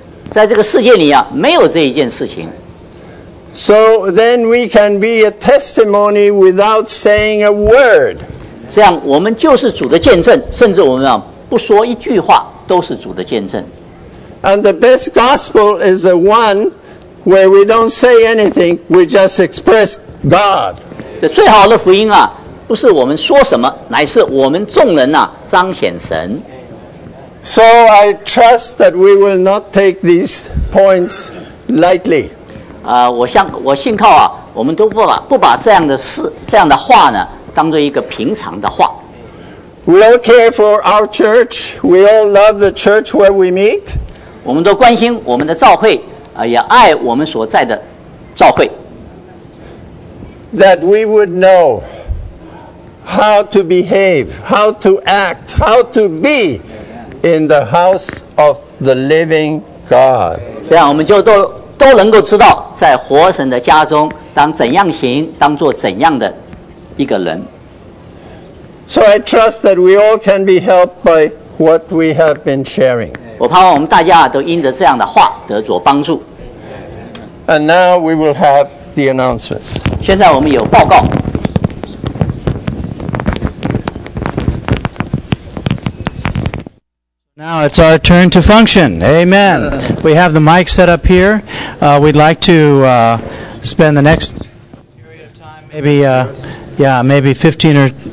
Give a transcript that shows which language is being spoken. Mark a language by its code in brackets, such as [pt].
[zh] 在这个世界里啊，没有这一件事情。 [en] So then we can be a testimony without saying a word. [zh] 这样我们就是主的见证，甚至我们啊不说一句话都是主的见证。 [en] And the best gospel is the one where we don't say anything, we just express God. [zh] 这最好的福音啊，不是我们说什么，乃是我们众人啊彰显神。 [en] So I trust that we will not take these points lightly. [zh] 我信靠啊，我们都不把这样的事、这样的话呢，当作一个平常的话。 [en] We all care for our church. We all love the church where we meet. [zh] 我们都关心我们的教会，也爱我们所在的教会。 [en] That we would know how to behave, how to act, how to be in the house of the living God. [zh] 这样我们就都能够知道，在活神的家中，当怎样行，当做怎样的一个人。 [en] So I trust that we all can be helped by what we have been sharing. [zh] 我盼望我们大家都因着这样的话得着帮助。 [en] And now we will have the announcements. [zh] 现在我们有报告。 [en] Now it's our turn to function. Amen. We have the mic set up here. We'd like to spend the next period of time, maybe 15 or...